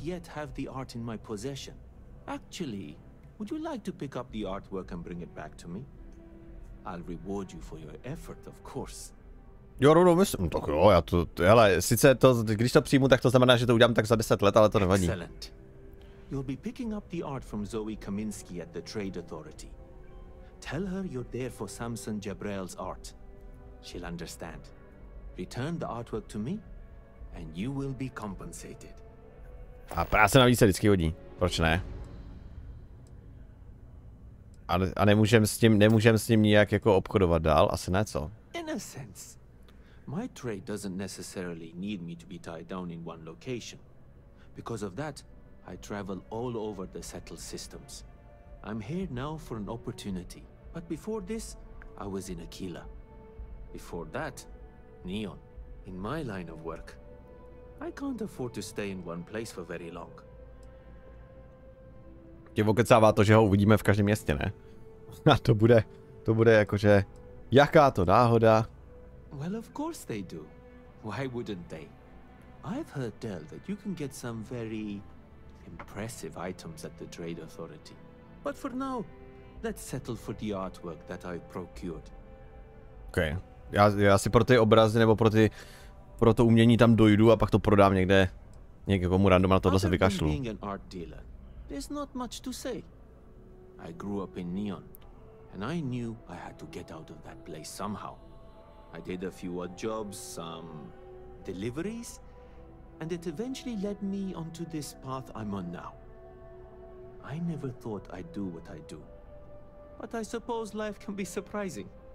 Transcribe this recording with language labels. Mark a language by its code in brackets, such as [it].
[en] Yet have the art in my possession. Actually, would you like to pick up the artwork and bring it back to me? I'll reward you for your effort, of course. [cs] Jo, rovnou myslím, tak jo, já to, hele, sice to, když to přijmu, tak to znamená, že to udělám tak za 10 let, ale to nevadí. [en] Excellent. You'll be picking up the art from Zoe Kaminsky at the Trade Authority. Tell her you're there for Samson Jabrail's art. She'll understand. Return the artwork to me, and you will be compensated. [cs] A práce navíc se vždycky hodí. Proč ne? A nemůžem s ním nijak jako obchodovat dál? Asi ne, co? [en] In a sense, my trade doesn't necessarily need me to be tied down in one location. Because of that, I travel all over the settled systems. I'm here now for an opportunity. But before this, I was in Aquila. Before that, Neon, in my line of work. I can't afford to stay in one place for very long. [cs] Tě okecává to, že ho uvidíme v každém městě, ne? A to bude jakože, jaká to náhoda. [en] Well, of course they do. Why wouldn't they? I've heard tell that you can get some very impressive items at the Trade Authority. But for now, let's settle for the artwork that I've procured. Okay. [cs] Já si pro ty obrazy nebo pro to umění tam dojdu a pak to prodám někde někomu random, na tohle se vykašlu. [en] There's not much to say. I grew up in Neon and I knew I had to get out of that place somehow. I did a few odd jobs, some deliveries, and it eventually led me onto this path I'm on now. I never thought I'd do what I do, but I suppose life can be surprising.